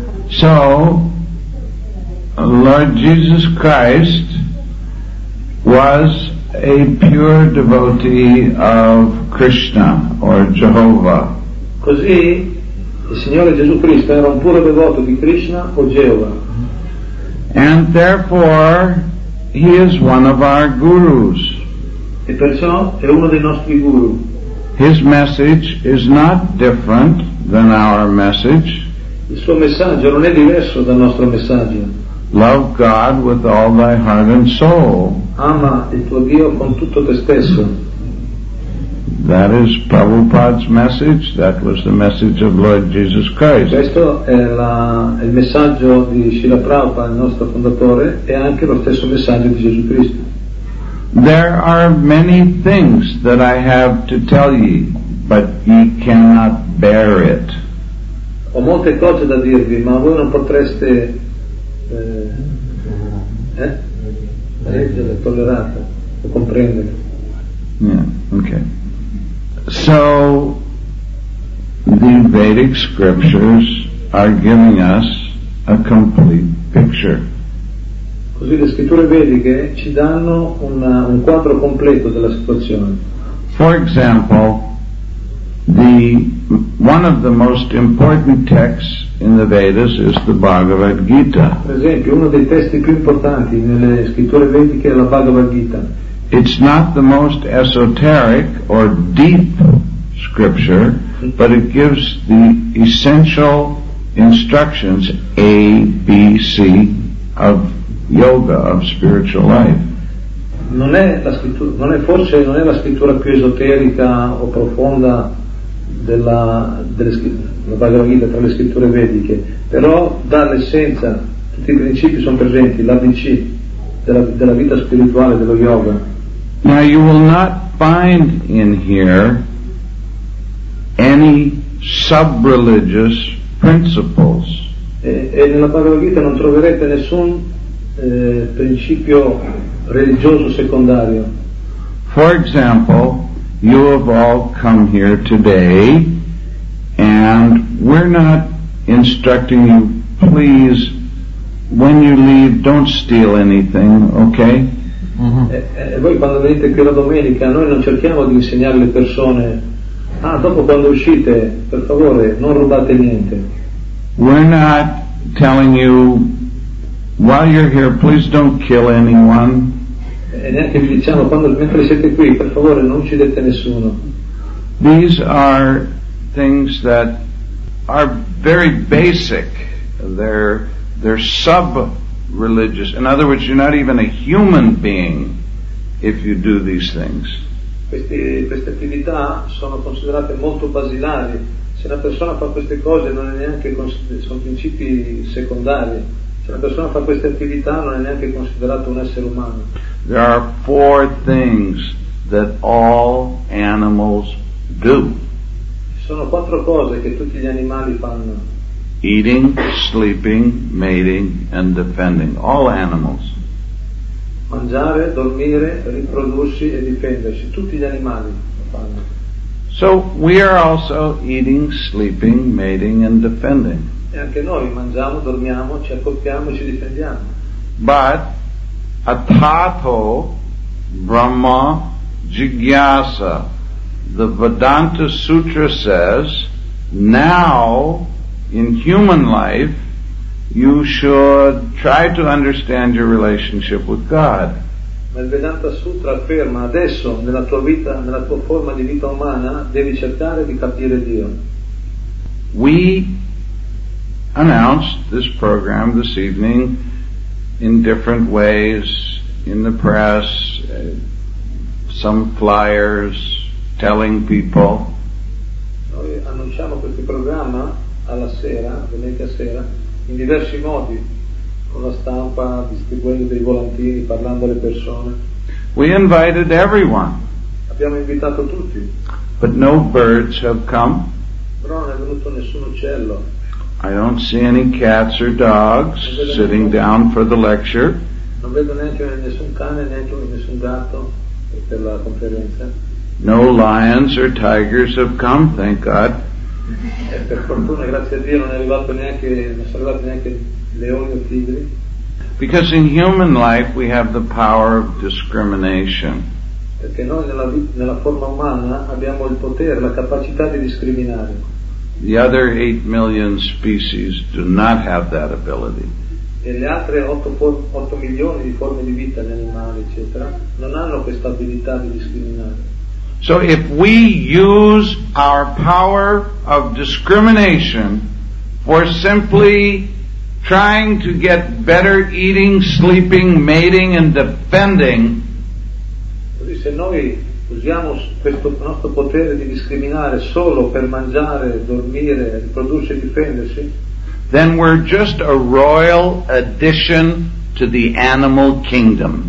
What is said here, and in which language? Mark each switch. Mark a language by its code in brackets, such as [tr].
[en] So, Lord Jesus Christ was a pure devotee of Krishna or Jehovah. [it] Così, il Signore Gesù Cristo era un puro devoto di Krishna o Jehovah. [en] And therefore, he is one of our gurus. [it] E perciò è uno dei nostri guru. [en] His message is not different than our message. [it] Il suo messaggio non è diverso dal nostro messaggio. [en] Love God with all thy heart and soul. [it] Ama il tuo Dio con tutto te stesso. [en] That is Prabhupada's message. That was the message of Lord Jesus Christ. [it] Questo è il messaggio di Srila Prabhupada, il nostro fondatore, e anche lo stesso messaggio di Gesù Cristo. [en] There are many things that I have to tell ye, but ye cannot bear it. [it] Ho molte cose da dirvi, ma voi non potreste leggere, tollerare o comprendere. [en] Yeah, okay. So, the Vedic scriptures are giving us a complete picture. [it] Così le scritture vediche ci danno un quadro completo della situazione. [en] For example, one of the most important texts in the Vedas is the Bhagavad Gita. [it] Per esempio, uno dei testi più importanti nelle scritture vediche è la Bhagavad Gita. [en] It's not the most esoteric or deep scripture, but it gives the essential instructions A, B, C of yoga, of spiritual life. [it] Non è la scrittura più esoterica o profonda della Bhagavad Gita tra le scritture vediche, però dà l'essenza, tutti i principi sono presenti, l'ABC della vita spirituale, dello yoga. [en] Now you will not find in here any sub-religious principles. [it] E nella Bhagavad Gita non troverete nessun principio religioso secondario. [en] For example, you have all come here today and we're not instructing you, please, when you leave, don't steal anything, okay? Mm-hmm. [it] E voi quando venite qui la domenica, noi non cerchiamo di insegnare alle persone, dopo quando uscite, per favore, non rubate niente. [en] We're not telling you, while you're here, please don't kill anyone. [it] E neanche vi diciamo, quando, mentre siete qui, per favore non uccidete nessuno. [en] These are things that are very basic. They're sub-religious. In other words, you're not even a human being if you do these things. [it] Queste attività sono considerate molto basilari. Se una persona fa queste cose non è neanche, sono principi secondari. Se una persona fa queste attività non è neanche considerato un essere umano. [en] There are four things that all animals do. [it] Sono quattro cose che tutti gli animali fanno. [en] Eating, sleeping, mating and defending. All animals. [it] Mangiare, dormire, riprodursi e difendersi. Tutti gli animali lo fanno. [en] So we are also eating, sleeping, mating and defending. [it] E anche noi mangiamo, dormiamo, ci accoppiamo e ci difendiamo. [en] But [sa] Atato Brahma Jigyasa, [en] the Vedanta Sutra says, now in human life you should try to understand your relationship with God. [it] Ma il Vedanta Sutra afferma, adesso nella tua vita, nella tua forma di vita umana, devi cercare di capire Dio. [en] We announced this program this evening in different ways, in the press, some flyers, telling people. [it] Noi annunciamo questo programma alla sera, venerdì sera, in diversi modi, con la stampa, distribuendo dei volantini, parlando alle persone. [en] We invited everyone. [it] Abbiamo invitato tutti. [en] But no birds have come. [it] Però non è venuto nessun uccello. [en] I don't see any cats or dogs sitting down for the lecture. [it] Non vedo neanche nessun cane, neanche nessun gatto per la conferenza. [en] No lions or tigers have come, thank God. [it] E per fortuna, grazie a Dio, non è arrivato neanche, non sono arrivati neanche leoni o tigri. [en] Because in human life we have the power of discrimination. [it] Perché noi nella forma umana abbiamo il potere, la capacità di discriminare. [en] The other 8 million species do not have that ability. [it] E le altre 8 milioni di forme di vita, gli animali, eccetera, non hanno questa abilità di discriminare. [en] So if we use our power of discrimination for simply trying to get better eating, sleeping, mating and defending, [it] se noi usiamo questo nostro potere di discriminare solo per mangiare, dormire, riprodursi e difendersi, [en] then we're just a royal addition to the animal kingdom.